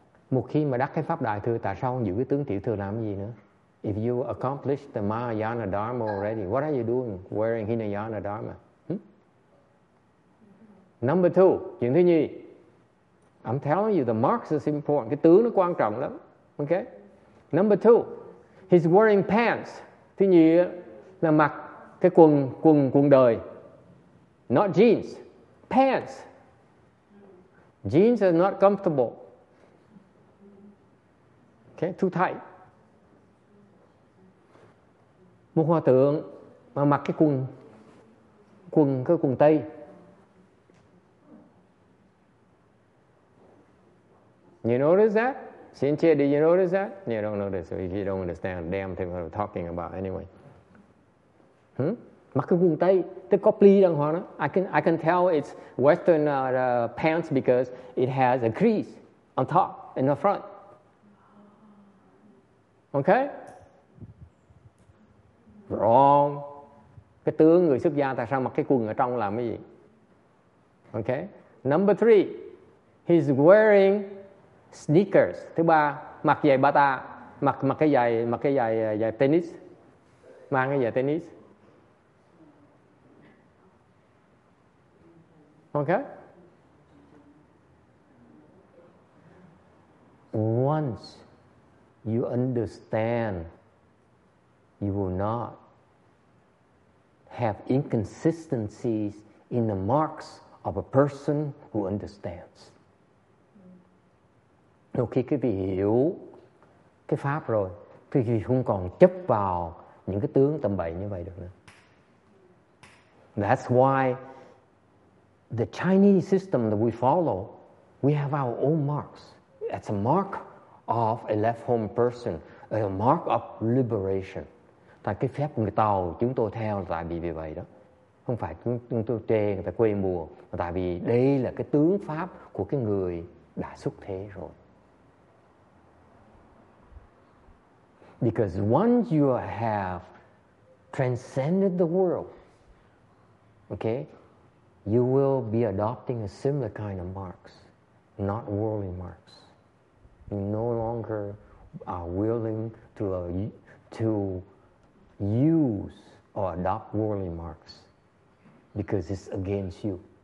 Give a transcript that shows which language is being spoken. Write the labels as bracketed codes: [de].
[vi] Một khi mà đắc cái pháp đại thừa, tại sao giữ cái tướng tiểu thừa làm gì nữa? [en] If you accomplished the Mahayana Dharma already, what are you doing wearing Hinayana Dharma? Number two, [vi] chuyện thứ nhì. [en] I'm telling you, the marks is important. [vi] Cái tướng nó quan trọng lắm. [en] Okay? Number two, he's wearing pants. [vi] Thứ nhì là mặc cái quần đời. [en] Not jeans. Pants. Jeans are not comfortable. Okay, too tight. [vi] Một hòa thượng mà mặc cái quần tây. [en] You notice that? Sinche, did you notice that? You don't notice. If you don't understand, damn thing I'm talking about anyway. [vi] Mặc cái quần tây, tức có pli đàng hoàng. [en] I can tell it's Western pants because it has a crease on top and the front. Okay? Wrong. [vi] Cái tướng người xuất gia tại sao mặc cái quần ở trong làm cái gì? Okay. [en] Number three, he's wearing sneakers. [vi] Thứ ba, mặc giày bata, mặc cái giày tennis, mang cái giày tennis. [en] Okay. Once you understand, you will not have inconsistencies in the marks of a person who understands. [vi] Khi quý vị hiểu cái pháp rồi, thì không còn chấp vào những cái tướng tầm bậy như vậy được nữa. [en] That's why the Chinese system that we follow, we have our own marks. It's a mark of a left home person, a mark of liberation. [vi] Tại cái phép người Tàu chúng tôi theo là tại vì vậy đó. Không phải chúng tôi chê người ta quê mùa, mà tại vì đây là cái tướng pháp của cái người đã xuất thế rồi. [en] Because once you have transcended the world, okay, you will be adopting a similar kind of marks, not worldly marks. You no longer are willing to use or adopt worldly marks because it's against you.